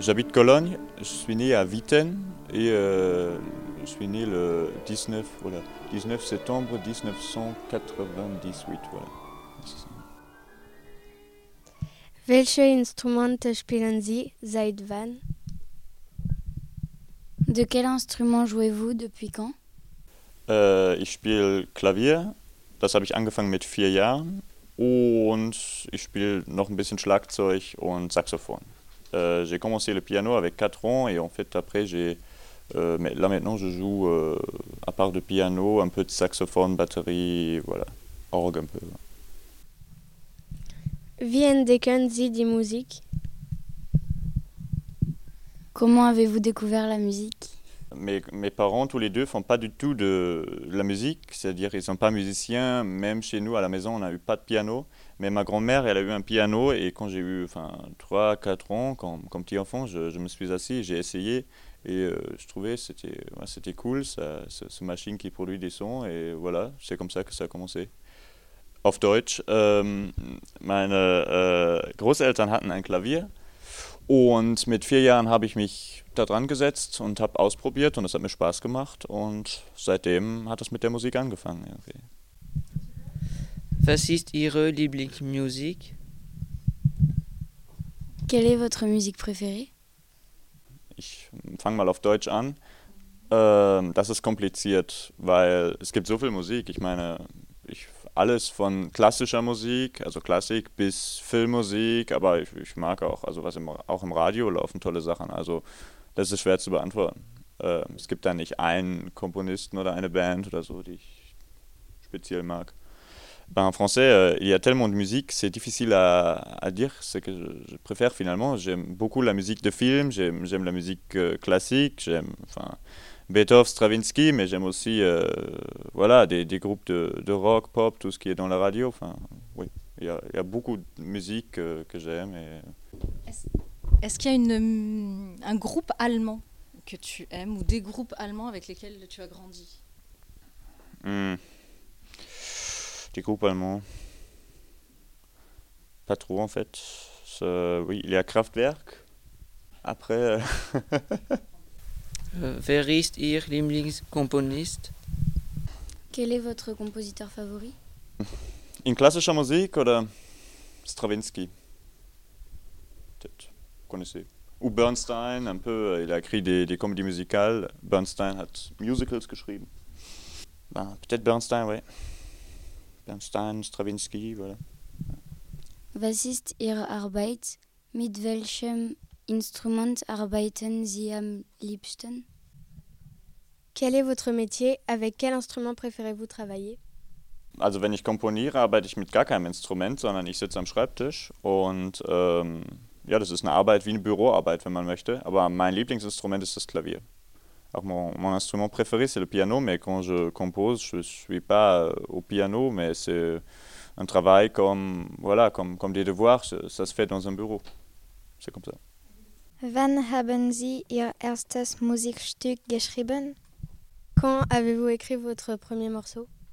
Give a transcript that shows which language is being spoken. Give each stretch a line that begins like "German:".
French: J'habite Cologne, je suis né à Witten et je suis né le 19 septembre 1998. Voilà.
German: Welche Instrumente spielen Sie seit wann?
French: De quel instrument jouez-vous depuis quand?
German: Ich spiele Klavier, das habe ich angefangen mit 4 Jahren. Und ich spiele noch ein bisschen Schlagzeug und Saxophon.
French: J'ai commencé le piano avec 4 ans et en fait après j'ai... là maintenant je joue à part de piano, un peu de saxophone, batterie, voilà, orgue un peu. Wie entdecken Sie die Musik? Comment avez-vous découvert la musique? Mes parents, tous les deux, ne font pas du tout de la musique, c'est-à-dire qu'ils ne sont pas musiciens. Même chez nous, à la maison, on n'a eu pas de piano. Mais ma grand-mère, elle a eu un piano et quand j'ai eu 3, 4 ans, comme petit enfant, je me suis assis, j'ai essayé et je trouvais que c'était cool, cette machine qui produit des sons. Et voilà, c'est comme ça que ça a commencé.
German: Auf Deutsch, meine Großeltern hatten ein Klavier. Und mit 4 Jahren habe ich mich da dran gesetzt und habe ausprobiert und es hat mir Spaß gemacht und seitdem hat es mit der Musik angefangen irgendwie. Was ist Ihre Lieblingsmusik?
French: Quelle est votre musique préférée?
German: Ich fange mal auf Deutsch an. Das ist kompliziert, weil es gibt so viel Musik. Ich meine, alles von klassischer Musik, also Klassik, bis Filmmusik, aber ich mag auch, also was auch im Radio laufen, tolle Sachen. Also das ist schwer zu beantworten. Es gibt da nicht einen Komponisten oder eine Band oder so, die ich speziell mag.
French: Ben, en français, il y a tellement de musique, c'est difficile à dire ce que je préfère finalement. J'aime beaucoup la musique de film, j'aime la musique classique, Beethoven, Stravinsky, mais j'aime aussi des groupes de rock, pop, tout ce qui est dans la radio. Enfin, oui, il y a beaucoup de musique que j'aime. Et... Est-ce qu'il y a un groupe allemand que tu aimes ou des groupes allemands avec lesquels tu as grandi? Des groupes allemands, pas trop en fait. Oui, il y a Kraftwerk. Après.
German: Wer ist Ihr Lieblingskomponist?
French: Quel est votre compositeur favori?
German: In klassischer Musik oder Stravinsky?
French: Peut-être, vous connaissez. Ou Bernstein, un peu, il a écrit des comédies musicales.
German: Bernstein hat Musicals geschrieben.
French: Ben, peut-être Bernstein, oui. Bernstein, Stravinsky, voilà.
German: Was ist Ihre Arbeit? Mit welchem Instrument arbeiten Sie am liebsten?
French: Quel est votre métier? Avec quel instrument préférez-vous travailler?
German: Also wenn ich komponiere, arbeite ich mit gar keinem Instrument, sondern ich sitze am Schreibtisch und das ist eine Arbeit wie eine Büroarbeit, wenn man möchte. Aber mein Lieblingsinstrument ist das Klavier. Auch
French: mon instrument préféré, c'est le piano, mais quand je compose, je ne suis pas au piano, mais c'est un travail comme des devoirs, ça se fait dans un bureau. C'est comme ça.
German: Wann haben Sie Ihr erstes Musikstück geschrieben?
French: Quand avez-vous écrit votre premier morceau?